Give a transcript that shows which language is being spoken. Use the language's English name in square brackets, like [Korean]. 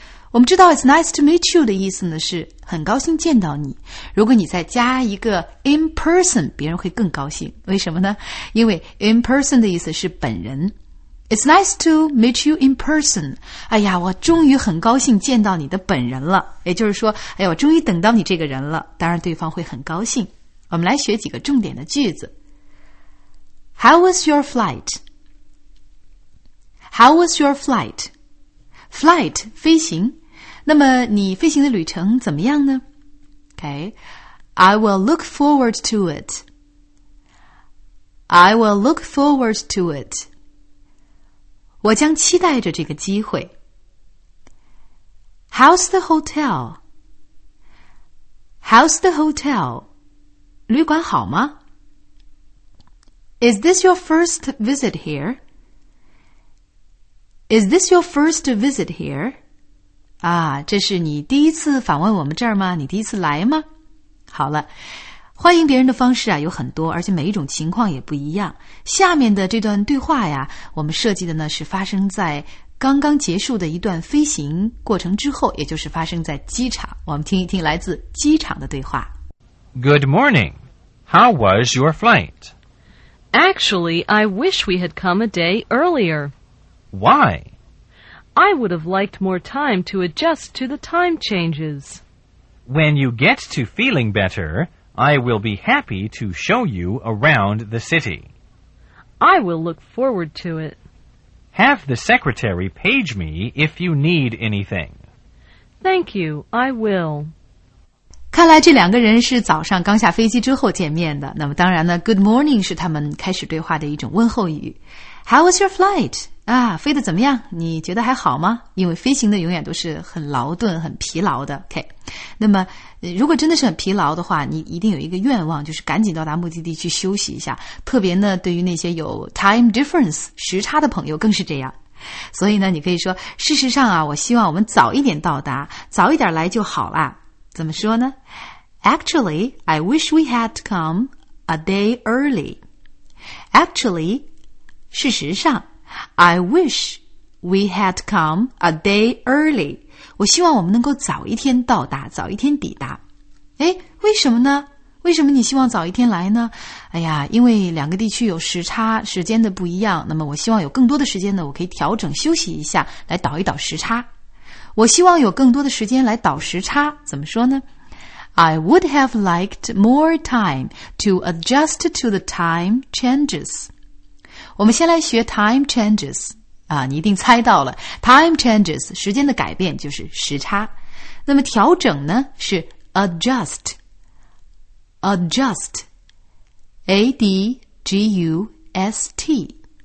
[Chinese] 我们知道 [English] It's nice to meet you [Chinese] 的意思呢是很高兴见到你。如果你再加一个 [English] in person, [Chinese] 别人会更高兴。为什么呢？因为 [English] in person [Chinese] 的意思是本人。 [English] It's nice to meet you in person. [Chinese] 哎呀，我终于很高兴见到你的本人了。也就是说，哎呀，我终于等到你这个人了。当然对方会很高兴。我们来学几个重点的句子。 [English] How was your flight? How was your flight? [Chinese] Flight, 飞行。那么你飞行的旅程怎么样呢？ [English] Okay. I will look forward to it. I will look forward to it. [Chinese] 我将期待着这个机会。 [English] How's the hotel? How's the hotel? [Chinese] 旅馆好吗？ [English] Is this your first visit here? Is this your first visit here? [Chinese] 啊，这是你第一次访问我们这儿吗？你第一次来吗？好了。欢迎别人的方式啊有很多，而且每一种情况也不一样。下面的这段对话呀，我们设计的呢是发生在刚刚结束的一段飞行过程之后，也就是发生在机场。我们听一听来自机场的对话。 [English] Good morning. How was your flight? Actually, I wish we had come a day earlier. Why? I would have liked more time to adjust to the time changes. When you get to feeling better... I will be happy to show you around the city. I will look forward to it. Have the secretary page me if you need anything. Thank you, I will. [Chinese] 看来这两个人是早上刚下飞机之后见面的。那么当然呢 , [English] good morning [Chinese] 是他们开始对话的一种问候语。 [English] How was your flight? [Chinese] 啊，飞得怎么样？你觉得还好吗？因为飞行的永远都是很劳顿、很疲劳的。OK， 那么如果真的是很疲劳的话，你一定有一个愿望，就是赶紧到达目的地去休息一下。特别呢，对于那些有 time difference 时差的朋友更是这样。所以呢，你可以说，事实上啊，我希望我们早一点到达，早一点来就好啦。怎么说呢 [English] Actually, I wish we had come a day early. Actually, [Chinese] 事实上 [English] I wish we had come a day early. [Chinese] 我希望我们能够早一天到达，早一天抵达。诶，为什么呢？为什么你希望早一天来呢？哎呀，因为两个地区有时差，时间的不一样，那么我希望有更多的时间呢，我可以调整休息一下，来倒一倒时差。我希望有更多的时间来倒时差，怎么说呢？ [English] I would have liked more time to adjust to the time changes. [Chinese] 我们先来学 [English] time changes. [Chinese] 啊，你一定猜到了 ,time changes, 时间的改变就是时差。那么调整呢是 adjust, A-D-G-U-S-T.